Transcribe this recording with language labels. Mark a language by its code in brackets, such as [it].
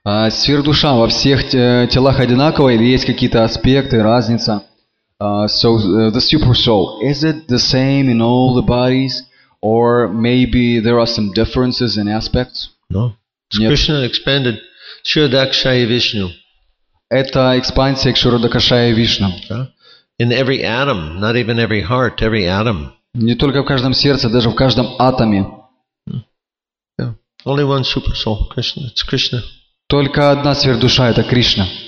[ru] Сверхдуша во всех телах одинаково или есть какие-то аспекты, разница? [en] So the super soul, is it the same in all the bodies, or maybe there are some differences in aspects? No. It's Krishna expanded. Shurdakshaya Vishnu. [ru] Это экспансия Шурдакшая Вишну. [en] In every atom, not even every heart, every atom. [ru] Не только в каждом сердце, даже в каждом атоме. [en] Only one super soul, Krishna. It's Krishna. [ru] Только одна сверхдуша — это Кришна.